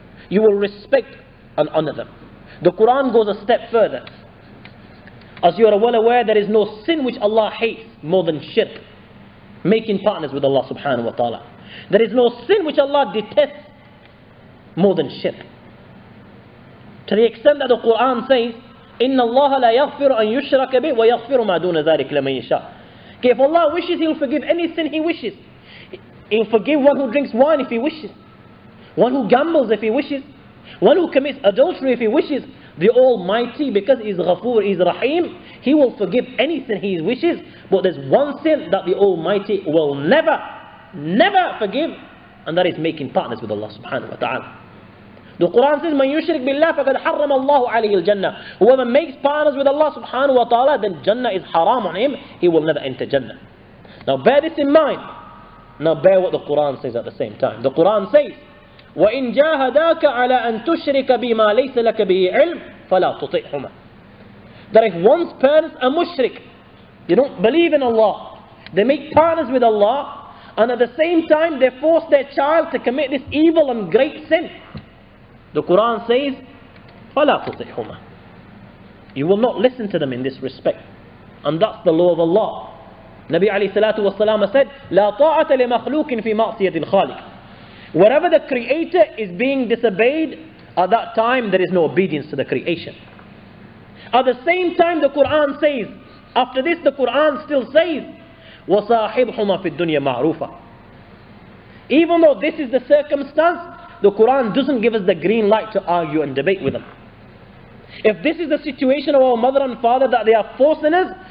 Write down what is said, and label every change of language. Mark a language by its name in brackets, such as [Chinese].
[English] You will respect and honor them. The Quran goes a step further. As you are well aware, there is no sin which Allah hates more than shirk, making partners with Allah subhanahu wa ta'ala. There is no sin which Allah detests more than shirk. To the extent that the Quran says, [Arabic] إِنَّ اللَّهَ لَا يَغْفِرُ أَنْ يُشْرَكَ بِهِ وَيَغْفِرُ مَا دُونَ ذَٰلِكَ لَمَنْ يَشَاءُ. [English] If Allah wishes, He will forgive any sin He wishes. He'll forgive one who drinks wine if he wishes, one who gambles if he wishes, one who commits adultery if he wishes. The Almighty, because He is Ghafoor, He is Rahim, He will forgive anything He wishes. But there's one sin that the Almighty will never, never forgive, and that is making partners with Allah subhanahu wa ta'ala. The Quran says, [Arabic] مَنْ يُشْرِكْ بِاللَّهِ فَقَدْ حَرَّمَ اللَّهُ عَلَيْهِ الْجَنَّةِ. [English] Whoever makes partners with Allah subhanahu wa ta'ala, then Jannah is haram on him, he will never enter Jannah. Now bear this in mind. Now bear what the Quran says at the same time. The Quran says, [Arabic] وَإِنْ جَاهَدَاكَ عَلَىٰ أَن تُشْرِكَ بِمَا لَيْسَ لَكَ بِهِ عِلْمٍ فَلَا تُطِئْهُمَا. [English] That if one's parents are mushrik, they don't believe in Allah, they make partners with Allah, and at the same time they force their child to commit this evil and great sin, the Quran says, [Arabic] فَلَا تُطِئْهُمَا. [English] You will not listen to them in this respect. And that's the law of Allah. [Arabic] Nabi alayhi salatu wasalam said, لَا طَاعَةَ لِمَخْلُوكٍ فِي مَعْصِيَةِ الْخَالِقِ. [English] Wherever the Creator is being disobeyed, at that time there is no obedience to the creation. At the same time, the Quran says, after this the Quran still says, [Arabic] وَصَاحِبْهُمَا فِي الدُّنْيَا مَعْرُوفًا. [English] Even though this is the circumstance, the Quran doesn't give us the green light to argue and debate with them. If this is the situation of our mother and father that they are forcing us,